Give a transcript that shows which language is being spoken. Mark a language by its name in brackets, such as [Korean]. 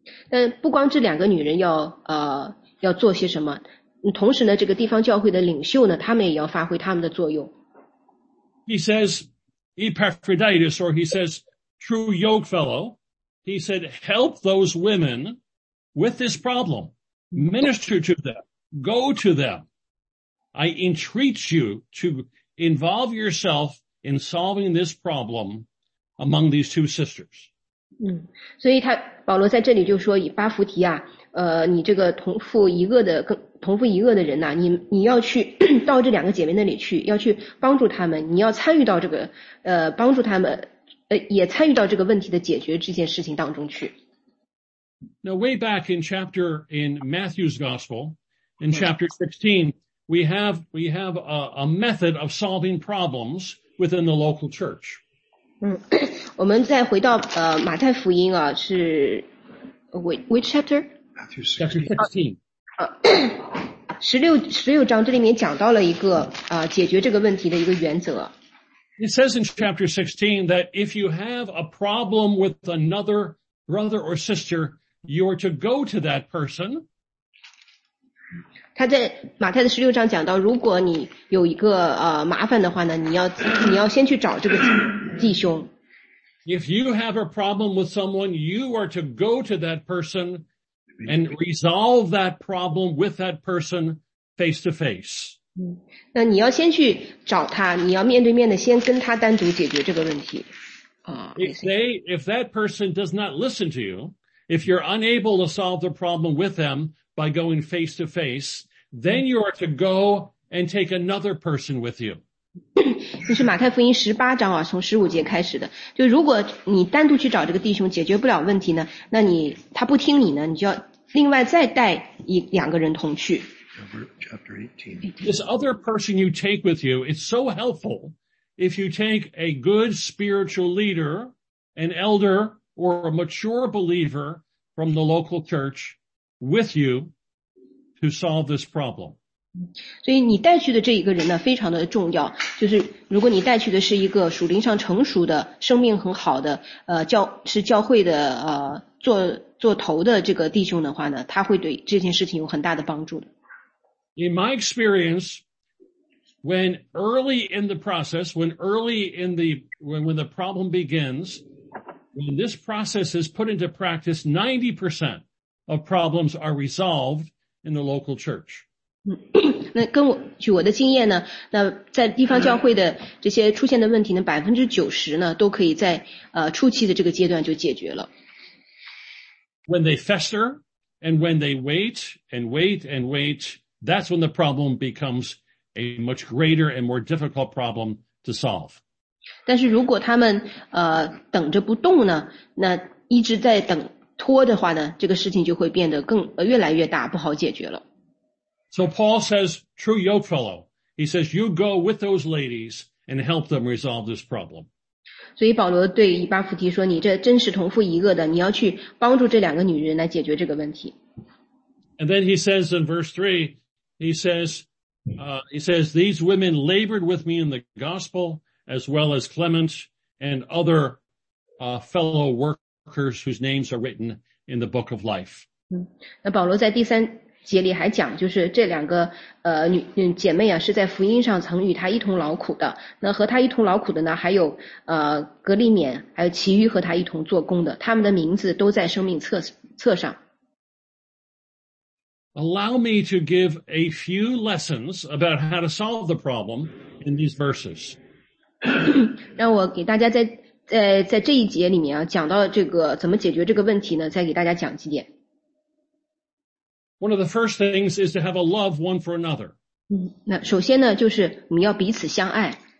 [Chinese] 但不光这两个女人要做些什么同时呢这个地方教会的领袖呢他们也要发挥他们的作用。 [English] He says, Epaphroditus, or he says, true yoke fellow. He said, help those women with this problem. Minister to them. Go to them. I entreat you to involve yourself in solving this problem among these two sisters. [Chinese] 嗯，所以他保罗在这里就说，以巴弗提啊，你这个同父一个的人呐、啊，你要去到这两个姐妹那里去，要去帮助他们，你要参与到这个帮助他们，也参与到这个问题的解决这件事情当中去。 [English] Now way back in Matthew's Gospel, in chapter 16, we have a method of solving problems within the local church. [Chinese] 嗯，我们再回到马太福音啊，是 [English] which chapter? Matthew 16. [Chinese] 16章这里面讲到了一个解决这个问题的一个原则。 [English] It says in chapter 16 that if you have a problem with another brother or sister, you are to go to that person. [Chinese] 他在马太的16章讲到，如果你有一个麻烦的话呢，你要先去找这个弟兄。 [English] If you have a problem with someone, you are to go to that person and resolve that problem with that person face to face. [Chinese] 那你要先去找他，你要面对面的先跟他单独解决这个问题。 [English] If that person does not listen to you, if you're unable to solve the problem with them by going face to face, then you are to go and take another person with you. [Chinese] 这是马太福音18章啊，从15节开始的。就如果你单独去找这个弟兄解决不了问题呢，那你他不听你呢，你就要另外再带两个人同去。 [English] Chapter 18. This other person you take with you, it's so helpful if you take a good spiritual leader, an elder, or a mature believer from the local church with you to solve this problem. [Chinese] 所以你带去的这一个人呢非常的重要，就是如果你带去的是一个属灵上成熟的，生命很好的是教会的做头的这个弟兄的话呢，他会对这件事情有很大的帮助的。 [English] In my experience, when early in the process, when the problem begins, when this process is put into practice, 90% of problems are resolved in the local church. [Chinese] 那跟我据我的经验呢，那在地方教会的这些出现的问题呢，90%呢都可以在初期的这个阶段就解决了。 [English] When they fester and when they wait and wait and wait, that's when the problem becomes a much greater and more difficult problem to solve. [Chinese] 但是如果他们等着不动呢，那一直在等拖的话呢，这个事情就会变得更越来越大，不好解决了。 [English] So Paul says, true yoke fellow. He says, you go with those ladies and help them resolve this problem. [Chinese] 所以保罗对以巴弗提说，你这真是同父一个的，你要去帮助这两个女人来解决这个问题。 [English] And then he says in verse 3, he says, these women labored with me in the gospel as well as Clement and other fellow workers whose names are written in the book of life. [Chinese] 那保罗在第三节里还讲，就是这两个姐妹啊，是在福音上曾与他一同劳苦的。那和他一同劳苦的呢，还有格利勉，还有其余和他一同做工的，他们的名字都在生命册上。 [English] Allow me to give a few lessons about how to solve the problem in these verses. [Chinese] 让我给大家在这一节里面啊，讲到这个怎么解决这个问题呢？再给大家讲几点。 [English] One of the first things is to have a love one for another. [Chinese] 那首先呢，就是我们要彼此相爱。